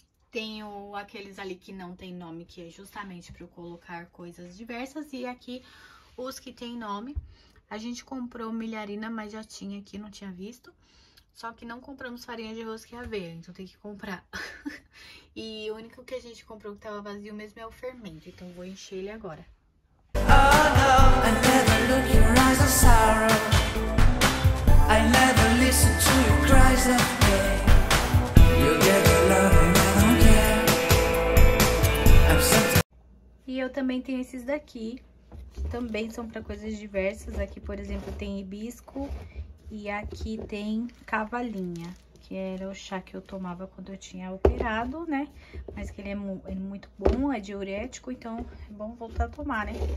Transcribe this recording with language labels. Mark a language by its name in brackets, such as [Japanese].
[Portuguese] Tenho aqueles ali que não tem nome, que é justamente para eu colocar coisas diversas. E aqui os que tem nome. A gente comprou milharina, mas já tinha aqui, não tinha visto. Só que não compramos farinha de arroz que ia ver, então tem que comprar. E o único que a gente comprou que tava vazio mesmo é o fermento. Então vou encher ele agora. [English] Oh, no, I never look in your eyes of sorrow. I never listen to your cries of pain. You'll get the love and I don't care. I'm such a... [Portuguese] E eu também tenho esses daqui, que também são para coisas diversas. Aqui, por exemplo, tem hibisco e aqui tem cavalinha, que era o chá que eu tomava quando eu tinha operado, né? Mas que ele é muito bom, é diurético, então é bom voltar a tomar, né?